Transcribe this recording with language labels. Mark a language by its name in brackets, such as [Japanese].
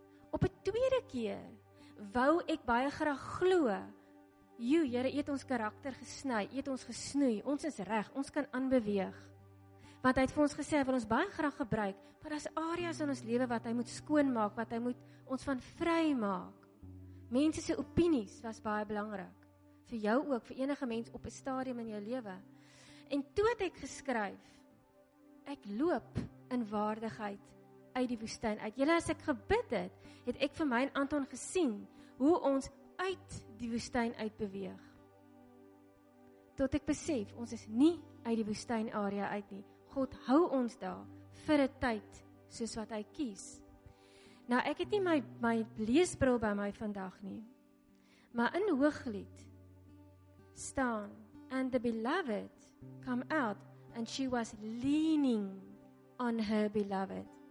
[Afrikaans] Op 'n tweede keer, wou ek baie graag glo, joe, Here, het ons karakter gesny, het ons gesnoei, ons is reg, ons kan aanbeweeg. Want hy het vir ons gesê, hy wil ons baie graag gebruik, maar daar's areas in ons lewe wat hy moet skoonmaak, wat hy moet ons van vry maak. Mense se opinies was baie belangrik. Vir jou ook, vir enige mens op 'n stadium in jou lewe. En toe het ek geskryf, ek loop in waardigheid uit die woestyn uit. Julle, as ek gebid het, het ek vir my en Anton gesien hoe ons uit die woestyn uit beweeg. Tot ek besef, ons is nie uit die woestyn area uit nie. God hou ons daar vir 'n tyd soos wat hy kies. Nou, ek het nie my leesbril by my vandag nie. Maar in Hooglied staan, [English] and the beloved come out, and she was leaning on her beloved.